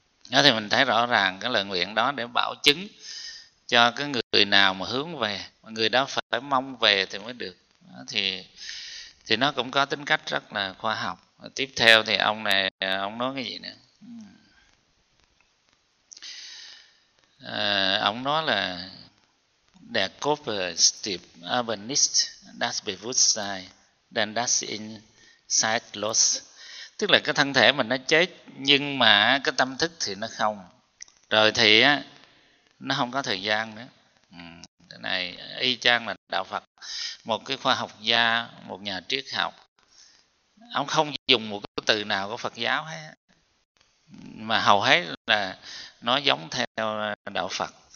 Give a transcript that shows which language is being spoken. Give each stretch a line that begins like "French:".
Vietnamese: Đó thì mình thấy rõ ràng cái lời nguyện đó để bảo chứng cho cái người nào mà hướng về, người đó phải mong về thì mới được. Thì nó cũng có tính cách rất là khoa học. Tiếp theo thì ông này, ông nói cái gì nữa? Ông nói là
German: Der Körper ist aber nicht das Bewusstsein, denn das ist zeitlos.
Vietnamese: Tức là cái thân thể mình nó chết, nhưng mà cái tâm thức thì nó không. Rồi thì á, nó không có thời gian nữa. Cái này y chang là Đạo Phật. Một cái khoa học gia, một nhà triết học, ông không dùng một cái từ nào của Phật giáo hết, mà hầu hết là nó giống theo Đạo Phật.